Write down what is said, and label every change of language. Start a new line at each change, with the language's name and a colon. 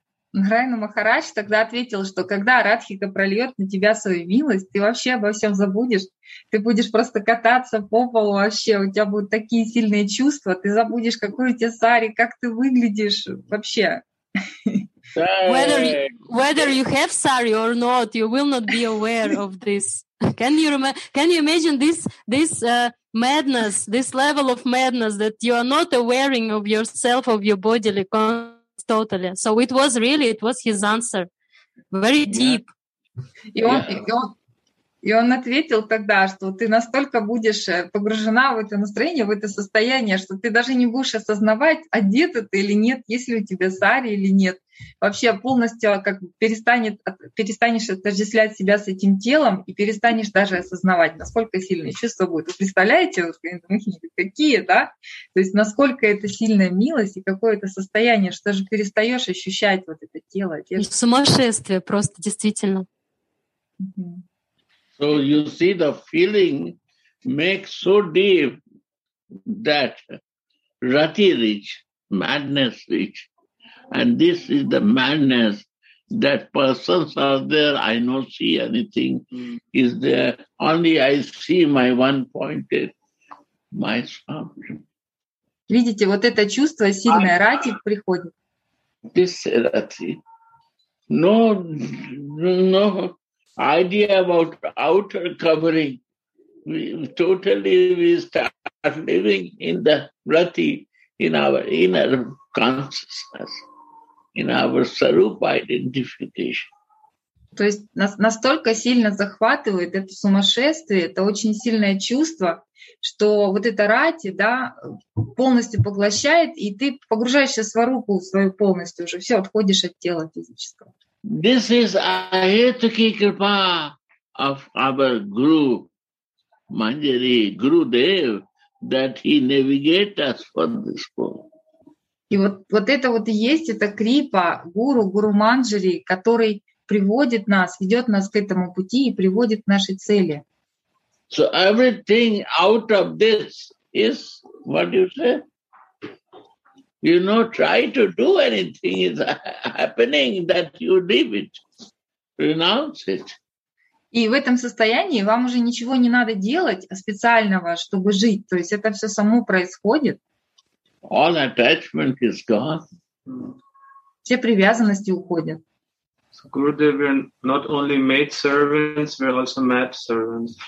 Russian: Нараяна Махарадж тогда ответил, что когда Радхика прольет на тебя свою милость, ты вообще обо всем забудешь, ты будешь просто кататься по полу вообще, у тебя будут такие сильные чувства, ты забудешь, какой у тебя сари, как ты выглядишь вообще.
English: Whether you have sari or not, you will not be aware of this. Can you imagine this madness, this level of madness that you are not aware of yourself, of your bodily consciousness? Totally. So it was his answer. Very deep.
Russian: И он ответил тогда, что ты настолько будешь погружена в это настроение, в это состояние, что ты даже не будешь осознавать, одета ты или нет, есть ли у тебя сари или нет. вообще полностью как бы перестанешь отождествлять себя с этим телом и перестанешь даже осознавать, насколько сильные чувства будут. Вы представляете, какие, да? То есть насколько это сильная милость и какое это состояние, что же перестаешь ощущать вот это тело. Сумасшествие просто, действительно.
English: So you see the feeling makes so deep that rati reach, madness reach. And this is the madness that persons are there, I don't see anything, is there. Only I see my one-pointed, my swami.
Russian: Видите, вот это чувство сильное, рати приходит.
English: This rati. No idea about outer covering. We start living in the rati, in our inner consciousness, in our sarupa identification.
Russian: То есть нас настолько сильно захватывает это сумасшествие, это очень сильное чувство, что вот эта рати, да, полностью поглощает, и ты погружаешься в сварупу свою полностью уже, все, отходишь от тела физического.
English: This is ahetuki kripa of our guru, Manjari, Gurudev, that he navigates us for this world.
Russian: И вот это вот и есть, это крипа, гуру Манджари, который приводит нас, ведет нас к этому пути и приводит к нашей цели.
English: So everything out of this is what you say. You know, try to do anything is happening that you leave it, renounce it.
Russian: И в этом состоянии вам уже ничего не надо делать специального, чтобы жить. То есть это все само происходит.
English: All attachment is gone.
Russian: Все привязанности уходят.
English: So Gurudev, we're not only maid servants, we're also mad servants.